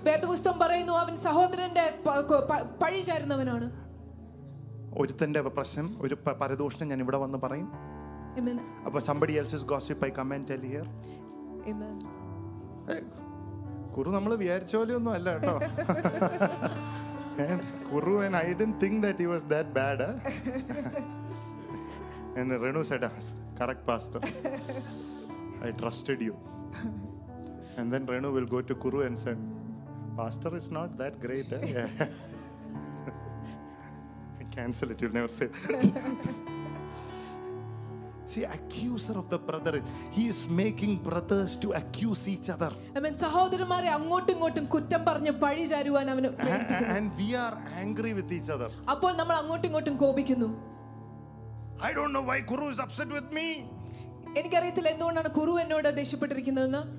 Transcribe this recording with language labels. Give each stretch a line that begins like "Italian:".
Malayalam: വേദപുസ്തകം പറയുന്നു അവൻ സഹോദരന്റെ പഴി ചാരുന്നവനാണ്. ഒരുത്തന്റെ പ്രശ്നം ഒരു പരദോഷം ഞാൻ ഇവിടെ വന്ന് പറയും.
English: അപ്പൊ somebody else's gossip I come and tell here. Amen.
Malayalam: കുറു നമ്മൾ വിചാരിച്ച പോലെ ഒന്നും അല്ല കേട്ടോ.
English: Kuru, and I didn't think that he was that bad. And Renu said, correct pastor, I trusted you. And then Renu will go to Kuru and said, pastor is not that great. Cancel it, you'll never say that. See, accuser of the brother, he is making brothers to accuse each other. Amen.
Malayalam: സഹോദരന്മാരെ അങ്ങോട്ടും ഇങ്ങോട്ടും കുറ്റം പറഞ്ഞു പഴി ചാരുവാൻ അവൻ.
English: And we are angry with each other.
Malayalam: അപ്പോൾ നമ്മൾ അങ്ങോട്ടും ഇങ്ങോട്ടും കോപിക്കുന്നു.
English: I don't know why Kuru is upset with me.
Malayalam: എനിക്കറിയില്ല എന്തുകൊണ്ടാണ് കുറു എന്നോട് ദേഷ്യപ്പെട്ടിരിക്കുന്നതെന്ന്.